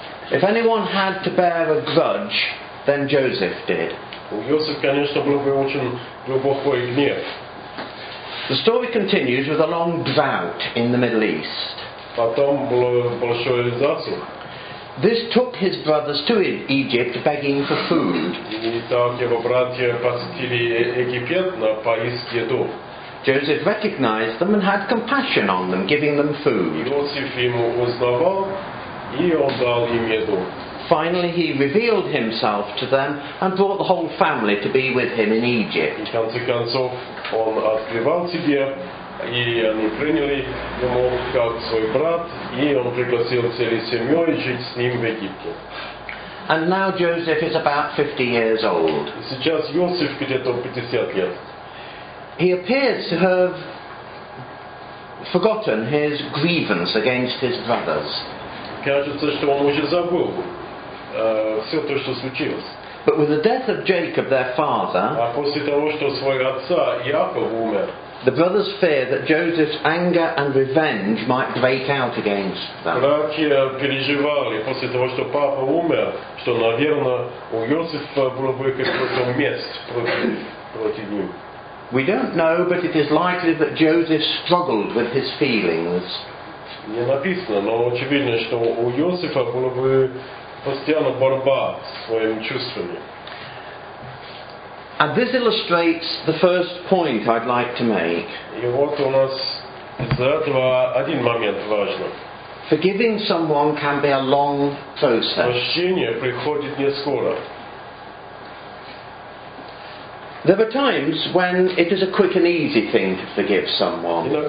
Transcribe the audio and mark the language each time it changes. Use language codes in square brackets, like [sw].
[en] If anyone had to bear a grudge, then Joseph did. [ru] У Иосифа, конечно, был бы очень глубокий гнев. [en] The story continues with a long drought in the Middle East. [ru] Потом была большая засуха. [en] This took his brothers to Egypt, begging for food. [ru] И так его братья посетили Египет на поиски еды. [en] Joseph recognized them and had compassion on them, giving them food. [ru] Иосиф ему узнавал, и он дал им еду. [en] Finally, he revealed himself to them and brought the whole family to be with him in Egypt. [ru] И в конце концов, он открывал себя, и они приняли его как свой брат, и он пригласил целую семью жить с ним в Египте. [en] And now Joseph is about 50 years old. [ru] Сейчас Иосиф где-то 50 лет. [en] He appears to have forgotten his grievance against his brothers. [ru] Кажется, что он уже забыл все то, что случилось. [en] But with the death of Jacob, their father, [ru] после того, что своего отца Яков умер, [en] the brothers fear that Joseph's anger and revenge might break out against them. [ru] Братья переживали после того, что папа умер, что, наверное, у Иосифа было бы какое-то месть против него. [en] We don't know, but it is likely that Joseph struggled with his feelings. [ru] Не написано, но очевидно, что у Иосифа была бы постоянно борьба с своими чувствами. [en] And this illustrates the first point I'd like to make. [ru] И вот у нас из-за этого один момент важный. [en] Forgiving someone can be a long process. There are times when it is a quick and easy thing to forgive someone.